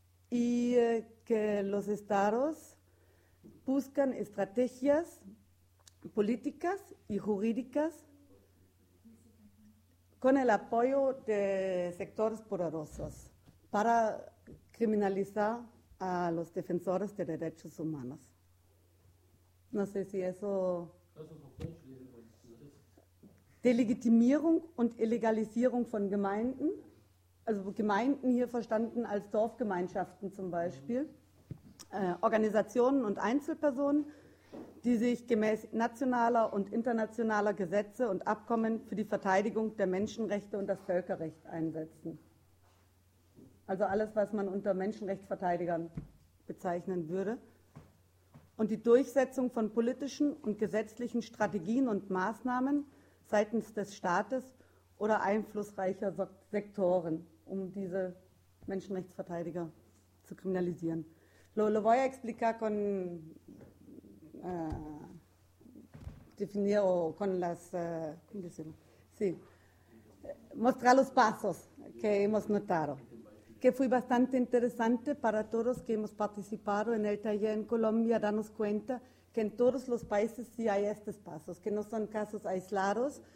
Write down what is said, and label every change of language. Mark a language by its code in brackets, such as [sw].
[es] Y que los estados buscan estrategias políticas y jurídicas con el apoyo de sectores poderosos para criminalizar a los defensores de derechos humanos. No sé si eso. [de] Delegitimierung und Illegalisierung von Gemeinden, also Gemeinden hier verstanden als Dorfgemeinschaften zum Beispiel, Organisationen und Einzelpersonen, die sich gemäß nationaler und internationaler Gesetze und Abkommen für die Verteidigung der Menschenrechte und das Völkerrecht einsetzen. Also alles, was man unter Menschenrechtsverteidigern bezeichnen würde. Und die Durchsetzung von politischen und gesetzlichen Strategien und Maßnahmen seitens des Staates oder einflussreicher Sektoren, um diese Menschenrechtsverteidiger zu kriminalisieren. [es] Lo voy a explicar con definir o con las sí. Mostrar los pasos que hemos notado, que fue bastante interesante para todos que hemos participado en el taller en Colombia, darnos cuenta que en todos los países sí hay estos pasos, que no son casos aislados,